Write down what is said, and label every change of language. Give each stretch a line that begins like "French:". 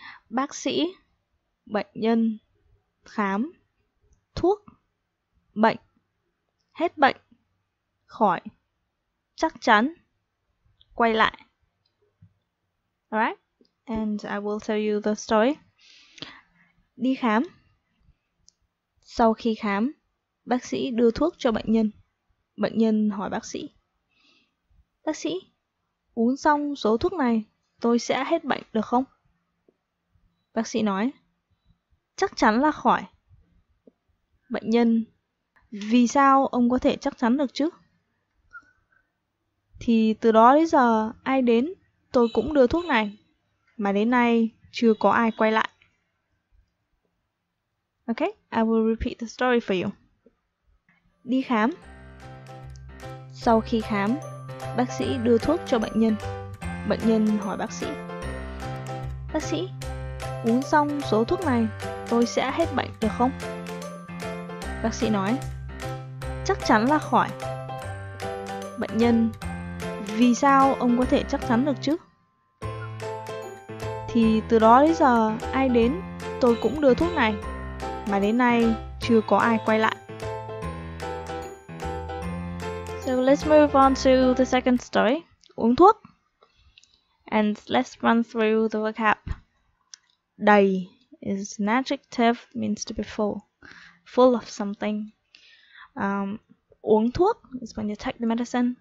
Vietnamese: Bác sĩ, bệnh nhân, khám, thuốc, bệnh, hết bệnh, khỏi, chắc chắn, quay lại.
English: Alright, and I will tell you the story.
Vietnamese: Đi khám. Sau khi khám, bác sĩ đưa thuốc cho bệnh nhân. Bệnh nhân hỏi bác sĩ. Bác sĩ, uống xong số thuốc này, tôi sẽ hết bệnh được không? Bác sĩ nói, chắc chắn là khỏi. Bệnh nhân, vì sao ông có thể chắc chắn được chứ? Thì từ đó đến giờ, ai đến, tôi cũng đưa thuốc này. Mà đến nay, chưa có ai quay lại.
English: Okay, I will repeat the story for you.
Vietnamese: Đi khám. Sau khi khám, bác sĩ đưa thuốc cho bệnh nhân. Bệnh nhân hỏi bác sĩ. Bác sĩ, uống xong số thuốc này, tôi sẽ hết bệnh được không? Bác sĩ nói, chắc chắn là khỏi. Bệnh nhân, vì sao ông có thể chắc chắn được chứ? Thì từ đó đến giờ, ai đến, tôi cũng đưa thuốc này. Mà đến nay, chưa có ai quay lại.
English: Let's move on to the second story, uống thuốc. And let's run through the vocab. Đầy is an adjective, means to be full. Full of something. Uống thuốc is when you take the medicine.